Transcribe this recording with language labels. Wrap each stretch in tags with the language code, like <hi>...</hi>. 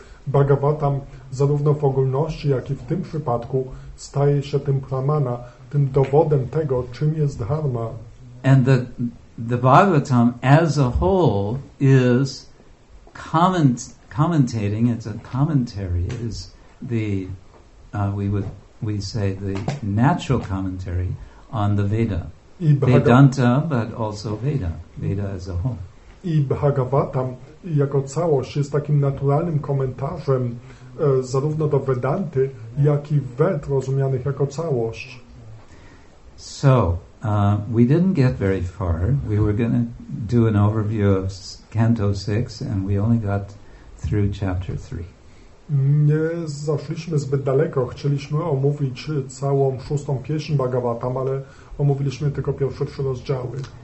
<pl>Bhagavatam, zarówno w ogólności, jak i w tym przypadku, staje się tym pramana, tym dowodem tego, czym jest Dharma.</pl> <en>And the Bhagavatam as a whole is commentating, it's a commentary, it is the we say the natural commentary on the Veda. Vedanta, but also Veda, Veda as a whole.</en> <pl>I Bhagavatam jako całość jest takim naturalnym komentarzem zarówno do Vedanty, jak i Ved rozumianych jako całość.</pl> <en>So, we didn't get very far. We were going to do an overview of Canto 6, and we only got through Chapter 3.</en> <pl>Nie zaszliśmy zbyt daleko. Chcieliśmy omówić całą szóstą pieśń Bhagavatam, ale omówiliśmy tylko pierwsze trzy rozdziały.</pl>